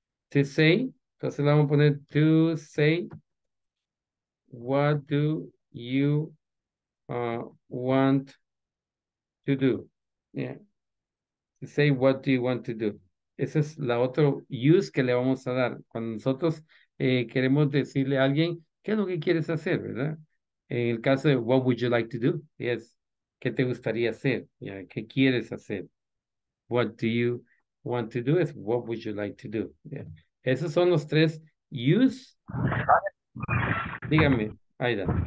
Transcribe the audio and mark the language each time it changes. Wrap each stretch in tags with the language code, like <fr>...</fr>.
<en>To say,</en> <es>entonces le vamos a poner</es> <en>to say what do you want to do. Yeah. To say what do you want to do.</en> <es>Esa es la otra use que le vamos a dar. Cuando nosotros queremos decirle a alguien qué es lo que quieres hacer, ¿verdad? En el caso de</es> <en>what would you like to do, yes.</en> <es>¿Qué te gustaría hacer? Yeah. ¿Qué quieres hacer?</es> <en>What do you want to do is what would you like to do?</en> <es>Yeah. Esos son los tres use. Dígame, Aida.</es>